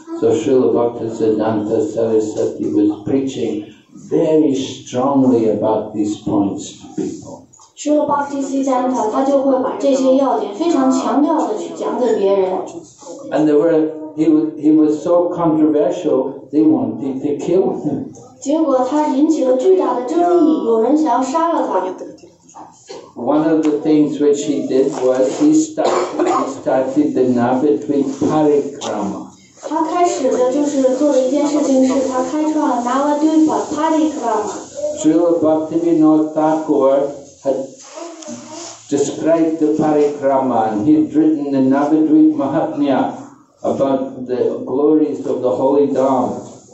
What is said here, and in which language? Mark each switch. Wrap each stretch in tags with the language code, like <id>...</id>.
<en>So Srila Bhaktisiddhanta Sarasvati was preaching very strongly about these points to people.</en> <zh>Srila Bhaktisiddhanta, 他就会把这些要点非常强调的去讲给别人.</zh> <en>And there were he was so controversial, they wanted to kill him.</en> <zh>结果他引起了巨大的争议，有人想要杀了他。</zh> <en>One of the things which he did was he started the Navadvipa Parikrama. Srila Bhaktivinoda Thakur had described the Parikrama and he had written the Navadvipa Mahatmya about the glories of the Holy Dhamma.</en>